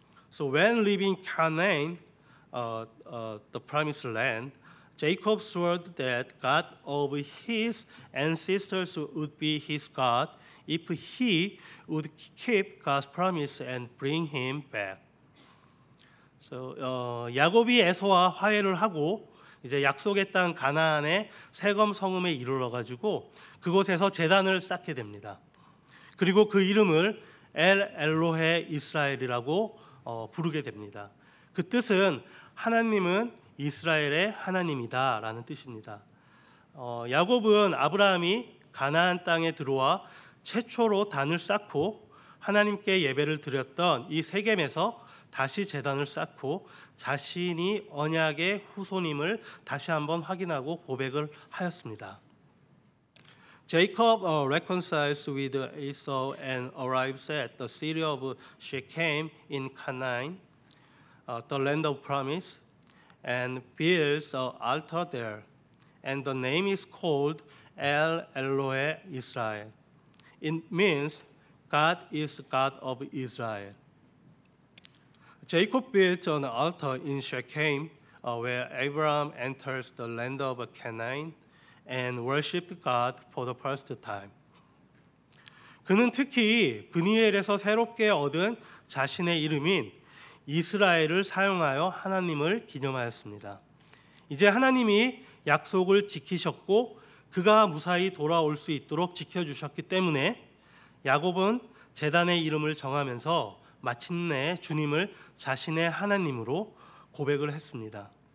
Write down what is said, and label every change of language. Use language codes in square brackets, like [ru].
[en] So when leaving Canaan, the promised land, Jacob swore that God of his ancestors would be his God if he would keep God's promise and bring him back. [ko] So 야곱이 에서와 화해를 하고 이제 약속의 땅 가나안의 세겜 성읍에 이르러 가지고 그곳에서 제단을 쌓게 됩니다. 그리고 그 이름을 엘 엘로헤 이스라엘이라고 부르게 됩니다. 그 뜻은 하나님은 이스라엘의 하나님이다 라는 뜻입니다. 야곱은 아브라함이 가나안 땅에 들어와 최초로 단을 쌓고 하나님께 예배를 드렸던 이 세겜에서 다시 제단을 쌓고 자신이 언약의 후손임을 다시 한번 확인하고 고백을 하였습니다. [en] Jacob reconciles with Esau and arrives at the city of Shechem in Canaan, the land of promise, and builds an altar there, and the name is called El Elohe Israel. It means God is God of Israel. Jacob built an altar in Shechem, where Abraham enters the land of Canaan and worshiped God for the first time. [ko] 그는 특히 브니엘에서 새롭게 얻은 자신의 이름인 이스라엘을 사용하여 하나님을 기념하였습니다. 이제 하나님이 약속을 지키셨고 그가 무사히 돌아올 수 있도록 지켜주셨기 때문에 야곱은 제단의 이름을 정하면서 마침내 주님을 자신의 하나님으로 고백을 했습니다.